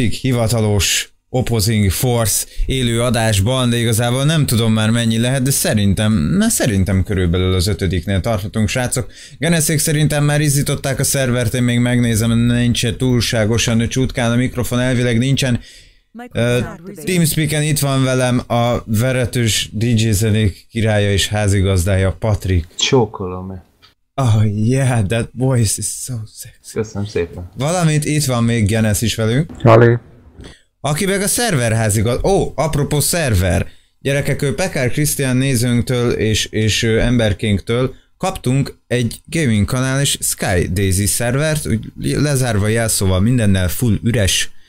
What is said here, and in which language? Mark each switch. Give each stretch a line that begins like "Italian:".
Hungarian: hivatalos Opposing Force élő adásban, de igazából nem tudom már mennyi lehet, de szerintem körülbelül az 5. tarthatunk, srácok. Geneszék szerintem már izzították a szervert, én még megnézem, nincs túlságosan csutkán a mikrofon, elvileg nincsen. Teamspeaken itt van velem a veretős DJ zenék királya és házigazdája, Patrik. Csókolom-e.
English: Oh yeah, that voice is so sexy.
Hungarian: Köszönöm szépen. Valamint itt van még Genesz is velünk. Halli. Aki meg a szerver házigazdája. Ó, apropó szerver. Gyerekek, ő Pekár Krisztián nézőnktől és emberkénktől kaptunk egy gaming kanál és Sky Daisy szervert, úgy lezárva jelszóval mindennel full üres.